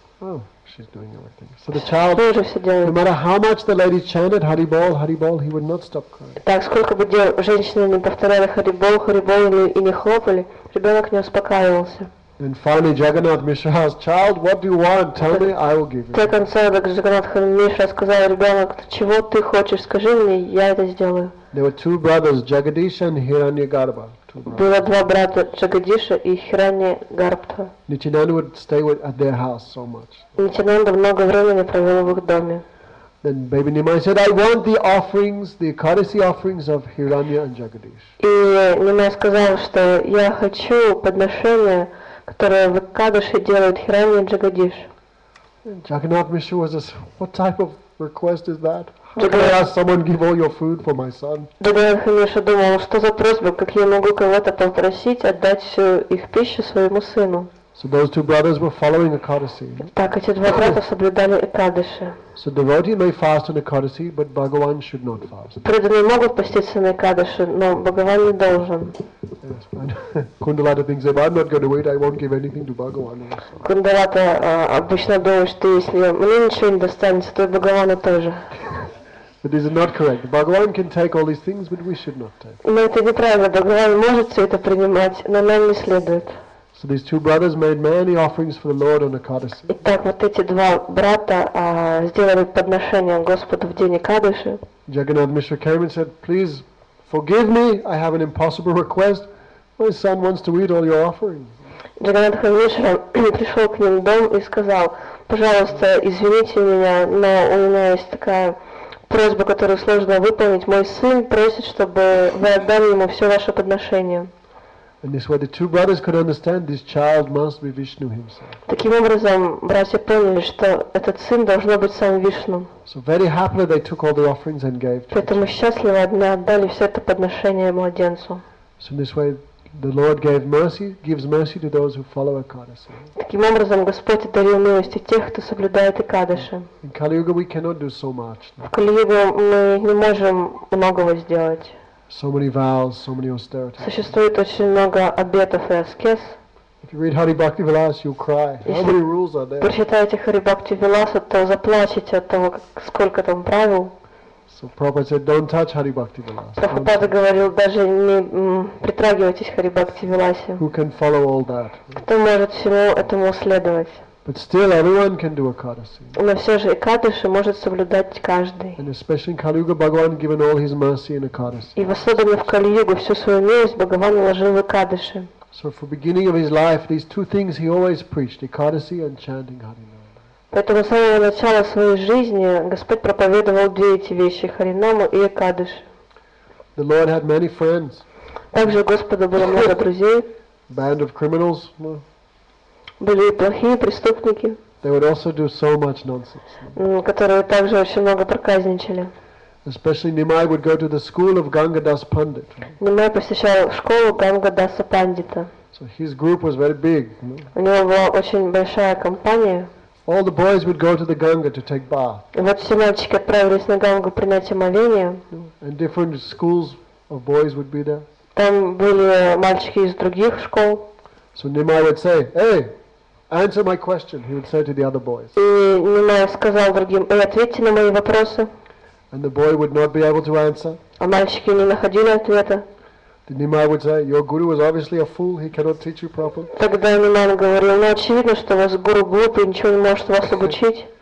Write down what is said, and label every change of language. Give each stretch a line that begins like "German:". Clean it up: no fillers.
English: Oh, she's doing everything. So the child, no matter how much the lady chanted Hari Bol, Hari Bol, he would not stop crying.
Russian: Так сколько бы женщины не повторяли Hari Bol и не хлопали, ребенок не успокаивался.
English: And finally, Jagannath Mishra asked, "Child, what do you want? Tell me, I will give you."
Russian: В конце Jagannath Mishra сказал ребенку, "Чего ты хочешь? Скажи мне, я это сделаю."
English: There were two brothers, Jagadish and Hiranyagarbha.
Russian: Было два брата Джагадиша и Хираньягарбха.
English: Nityananda would stay with, at their house so much.
Russian: Nityananda много времени провел в их доме.
English: Then baby Nimai said, "I want the offerings, the Ekadasi offerings of Hiranya and Jagadish."
Russian: И Nimai сказал, что я хочу подношения, которые в Экадаше делают Хиранья и Джагадиш.
English: Jagannath Mishra was just, "What type of request is that? Did I ask someone give all your food for my son?
Russian: Еще думал, что за просьба, как я могу кого-то попросить отдать всю их пищу своему сыну?
English: So those two brothers were following Ekadasi.
Russian: Так эти два брата соблюдали Экадаши.
English: So devotee may fast on Ekadasi, but Bhagavan should not fast.
Russian: Преданные могут поститься на Экадаши, но Бхагаван не должен.
English: Кундалата thinks, if I'm not going to wait, I won't give anything to Bhagavan.
Russian: Кундалата обычно думает, что если мне ничего не достанется, то Бхагавану тоже.
English: But this is not correct. Bhagavan can take all these things, but we should not take.
Russian: Но это неправильно. Бхагаван может все это принимать, но нам не следует.
English: So these two brothers made many offerings for the Lord on Ekadasi.
Russian: Итак, вот эти два брата сделали подношение Господу в день Экадаши.
English: Jagannath Mishra came and said, "Please forgive me. I have an impossible request. My son wants to eat all your offerings."
Russian: Jagannath Mishra пришел к ним в дом и сказал, "Пожалуйста, извините меня, но у меня есть такая просьба, которую сложно выполнить. Мой сын просит, чтобы вы отдали ему все ваше подношение."
English: And this way, the two brothers could understand this child must be Vishnu himself.
Russian: Таким образом, братья поняли, что этот сын должен быть сам Вишну.
English: So very happily, they took all the offerings and gave.
Russian: Поэтому счастливо они отдали все это подношение младенцу.
English: So in this way, the Lord gave mercy, gives mercy to those who follow Ekadasi.
Russian: Таким образом, Господь дарил милости тех, кто соблюдает Экадаши.
English: In Kali-yuga, we cannot do so much.
Russian: В Кали-юге мы не можем многого сделать.
English: So many vows, so many austerities.
Russian: Существует очень много обетов и аскез.
English: If you read Hari Bhakti Vilas, you'll cry. How many rules are there?
Russian: Прочитаете Хари Бхакти Виласа, то заплачете от того, сколько там правил.
English: So Prabhupada said, "Don't touch Hari Bhakti Vilas."
Russian: Прабхупада говорил, даже не притрагивайтесь Хари Бхакти Виласе.
English: Who can follow all that?
Russian: Кто может всему этому следовать?
English: But still, everyone can do Ekadasi.
Russian: Но все же Экадаши может соблюдать каждый.
English: And especially in Kali-yuga, Bhagavan given all His mercy in Ekadasi.
Russian: И особенно в Кали-югу всю свою милость Бхагаван вложил в Экадаши.
English: So for beginning of His life, these two things He always preached: Ekadasi and chanting Hari Nama.
Russian: Поэтому с самого начала своей жизни Господь проповедовал две эти вещи: Харинаму и Экадаши.
English: The Lord had many friends.
Russian: Также у Господа было много друзей.
English: Band of criminals.
Russian: Были плохие преступники,
English: they would also do so much nonsense.
Russian: Которые также очень много проказничали.
English: Especially Nimai would go to the school of Gangadas Pandit.
Russian: Нимай посещал школу Гангадаса Пандита.
English: So his group was very big.
Russian: У него была очень большая компания.
English: All the boys would go to the Ganga to take bath.
Russian: И вот все мальчики отправились на Гангу принять омовение.
English: And different schools of boys would be there.
Russian: Там были мальчики из других школ.
English: So Nimai would say, "Hey, answer my question." He would say to the other boys.
Russian: И Нимай сказал другим: "Эй, ответьте на мои вопросы."
English: And the boy would not be able to answer.
Russian: А мальчики не находили ответа.
English: Then Nimai would say, "Your guru was obviously a fool. He cannot teach you properly."
Russian: Тогда Нимай говорил: "Ну очевидно, что у вас гуру глупый, ничего не может вас обучить."